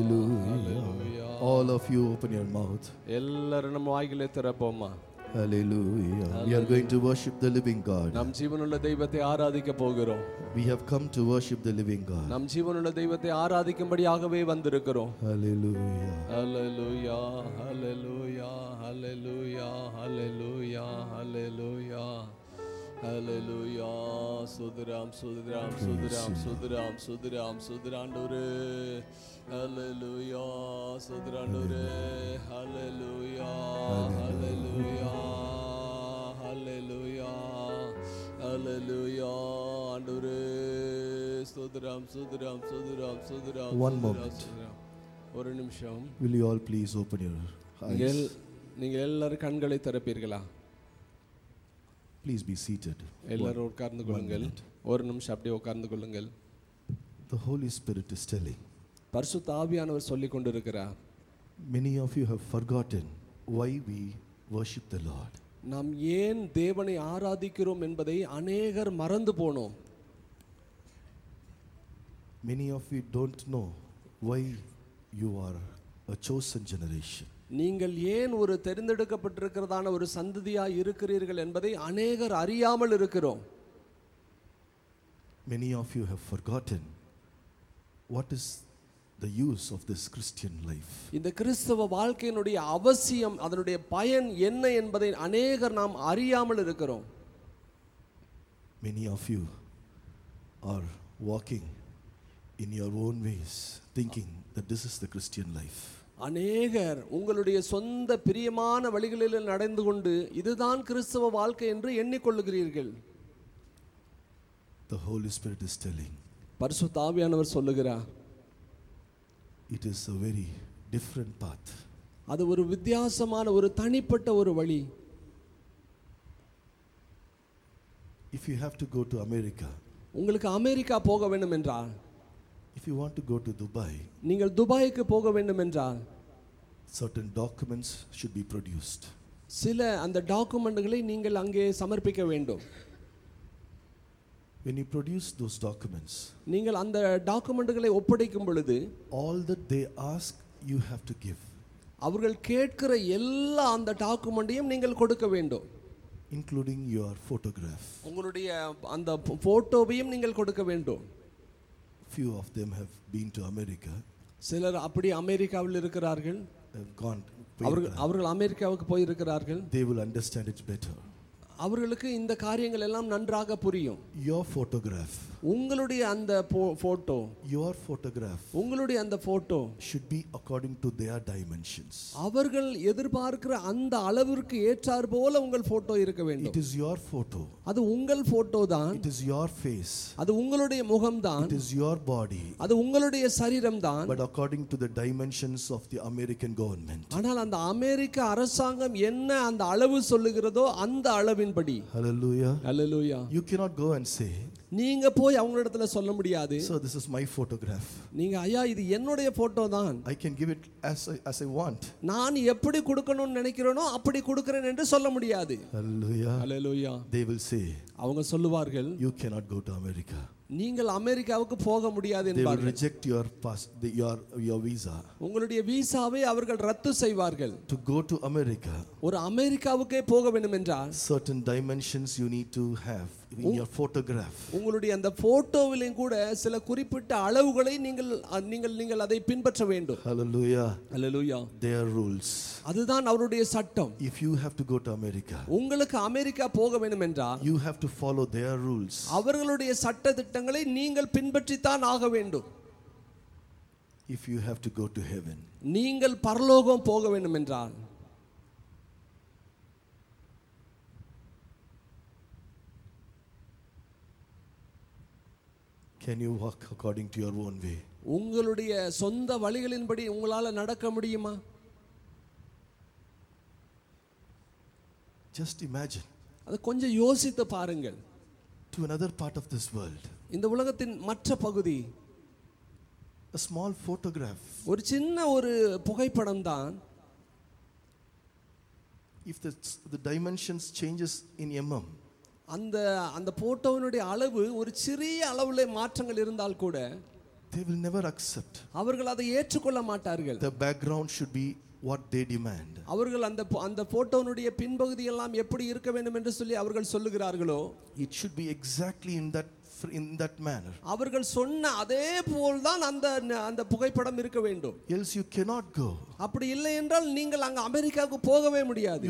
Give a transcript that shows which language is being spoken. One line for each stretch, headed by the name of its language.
English: All of you open your mouth.
Tamil: எல்லாரும் வாய்களை திறப்போமா.
English: Hallelujah. We are going to worship the living God.
Tamil: நம் ஜீவனுள்ள தெய்வத்தை ஆராதிக்க போகிறோம்.
English: We have come to worship the living God.
Tamil: நம் ஜீவனுள்ள தெய்வத்தை ஆராதிக்கும்படியாகவே வந்திருக்கிறோம்.
English: Hallelujah. Hallelujah. Hallelujah. Hallelujah. Hallelujah. Hallelujah. Hallelujah.
Tamil: சுதராம் சுதராம் சுதராம் சுதராம் சுதராம் சுதராண்டவரே.
English: Hallelujah, Sudranure. Hallelujah, Hallelujah, Hallelujah, Hallelujah, Andure. Sudram, Sudram, Sudram, Sudram. One moment.
Tamil: ஒரு நிமிஷம்.
English: Will you all please open your eyes?
Tamil: நீங்க எல்லார கண்களை திறப்பீர்களா?
English: Please be seated.
Tamil: எல்லாரும் உட்கார்ந்து கொள்ளுங்கள். ஒரு நிமிஷம் அப்படியே உட்கார்ந்து கொள்ளுங்கள்.
English: The Holy Spirit is telling.
Tamil: பரிசுத்த ஆவியானவர் சொல்லிக் கொண்டிருக்கிறார்.
English: Many of you have forgotten why we worship the Lord.
Tamil: நாம் ஏன் தேவனை ஆராதிக்கிறோம் என்பதை அநேகர் மறந்து போனோம்.
English: Many of you don't know why you are a chosen generation.
Tamil: நீங்கள் ஏன் ஒரு தெரிந்தெடுக்கப்பட்டிருக்கிறதான ஒரு சந்ததியாய் இருக்கிறீர்கள் என்பதை அநேகர் அறியாமல் இருக்கிறோம்.
English: Many of you have forgotten what is the use of this Christian life.
Tamil: இந்த கிறிஸ்தவ வாழ்க்கையினுடைய அவசியம் அதனுடைய பயன் என்ன என்பதை அநேகர் நாம் அறியாமல் இருக்கிறோம்.
English: Many of you are walking in your own ways thinking that this is the Christian life.
Tamil: அநேகர் உங்களுடைய சொந்த பிரியமான வழிகளில் நடந்து கொண்டு இதுதான் கிறிஸ்தவ வாழ்க்கை என்று எண்ணிக்கொள்ளுகிறீர்கள்.
English: The Holy Spirit is telling.
Tamil: பரிசுத்த ஆவியானவர் சொல்லுகிறார்.
English: It is a very different path.
Tamil: அது ஒரு வித்தியாசமான ஒரு தனிப்பட்ட ஒரு வழி.
English: If you have to go to America.
Tamil: உங்களுக்கு அமெரிக்கா போக வேண்டும் என்றால்.
English: If you want to go to Dubai.
Tamil: நீங்கள் துபாய்க்கு போக வேண்டும் என்றால்.
English: Certain documents should be produced.
Tamil: சில அந்த டாக்குமெண்ட்களை நீங்கள் அங்கே சமர்ப்பிக்க வேண்டும்.
English: When you produce those documents,
Tamil: நீங்கள் அந்த டாக்குமெண்ட்களை ஒப்படைக்கும் பொழுது,
English: all that they ask you have to give.
Tamil: அவர்கள் கேட்கிற எல்லா அந்த டாக்குமெண்டையும் நீங்கள் கொடுக்க வேண்டும்.
English: Including your photograph.
Tamil: உங்களுடைய அந்த போட்டோவையும் நீங்கள் கொடுக்க வேண்டும்.
English: Few of them have been to America.
Tamil: சிலர் அப்படி அமெரிக்காவில் இருக்கிறார்கள்.
English: Have gone.
Tamil: அவர்கள் அமெரிக்காவுக்கு போய் இருக்கிறார்கள்.
English: They will understand it better.
Tamil: அவர்களுக்கு இந்த காரியங்கள் எல்லாம் நன்றாக புரியும்.
English: Your photograph.
Tamil: உங்களுடைய அந்த போட்டோ.
English: Your photograph.
Tamil: உங்களுடைய அந்த photo.
English: Should be according to their dimensions.
Tamil: அவர்கள் எதிர்பார்க்கிற அந்த அளவிற்கு ஏற்றார் போல உங்கள் போட்டோ இருக்க வேண்டும்.
English: It is your photo.
Tamil: அது உங்கள் போட்டோ தான்.
English: It is your face.
Tamil: அது உங்களுடைய முகம் தான்.
English: It is your body.
Tamil: அது உங்களுடைய சரீரம் தான்.
English: But according to the dimensions of the American government.
Tamil: ஆனால் அந்த அமெரிக்க அரசாங்கம் என்ன அந்த அளவு சொல்லுகிறதோ அந்த அளவு படி.
English: Hallelujah. Hallelujah. You cannot go and say.
Tamil: நீங்க போய் அவங்க இடத்துல சொல்ல முடியாது.
English: So this is my photograph.
Tamil: நீங்க ஐயா இது என்னோட போட்டோ தான்.
English: I can give it as I want.
Tamil: நான் எப்படி கொடுக்கணும்னு நினைக்கிறனோ அப்படி கொடுக்கிறேன் என்று சொல்ல முடியாது.
English: Hallelujah. Hallelujah. They will say.
Tamil: அவங்க சொல்லுவார்கள்.
English: You cannot go to America.
Tamil: நீங்கள் அமெரிக்காவுக்கு போக முடியாது என்பார்கள்.
English: They reject your pass, your visa.
Tamil: உங்களுடைய விசாவை அவர்கள் ரத்து செய்வார்கள்.
English: To go to America.
Tamil: ஒரு அமெரிக்காவுக்கே போக வேண்டும் என்றால்
English: certain dimensions you need to have in your photograph.
Tamil: உங்களுடைய அந்த போட்டோவிலும் கூட சில குறிப்பிட்ட அளவுகளை நீங்கள் அதை பின்பற்ற வேண்டும்.
English: Hallelujah. Hallelujah. Their rules.
Tamil: அதுதான் அவருடைய சட்டம்.
English: If you have to go to America.
Tamil: உங்களுக்கு அமெரிக்கா போக வேண்டும் என்றால்
English: you have to follow their rules.
Tamil: அவர்களுடைய சட்ட தங்களை நீங்கள் பின்பற்றித்தான் ஆக வேண்டும்.
English: If you have to go to heaven.
Tamil: நீங்கள் பரலோகம் போக வேண்டும் என்றால்
English: can you walk according to your own way?
Tamil: உங்களுடைய சொந்த வழிகளின்படி உங்களால நடக்க முடியுமா?
English: Just imagine.
Tamil: அது கொஞ்சம் யோசித்து பாருங்கள்.
English: To another part of this world.
Tamil: இந்த உலகத்தின் மற்ற பகுதி.
English: A small photograph.
Tamil: ஒரு சின்ன ஒரு புகைப்படம் தான்.
English: If the dimensions changes in mm.
Tamil: அந்த போட்டோவினுடைய அளவு ஒரு சிறிய அளவிலே மாற்றங்கள் இருந்தால் கூட
English: they will never accept.
Tamil: அவர்கள் அதை ஏற்றுக்கொள்ள மாட்டார்கள்.
English: The background should be what they demand.
Tamil: அவர்கள் அந்த போட்டோனுடைய பின்பகுதி எல்லாம் எப்படி இருக்க வேண்டும் என்று சொல்லி அவர்கள் சொல்லுகிறார்களோ
English: it should be exactly in that manner.
Tamil: அவர்கள் சொன்ன அதே போல் தான் அந்த புகைப்படம் இருக்க வேண்டும்.
English: Else you cannot go.
Tamil: அப்படி இல்லை என்றால் நீங்கள் அங்க அமெரிக்காவுக்கு போகவே முடியாது.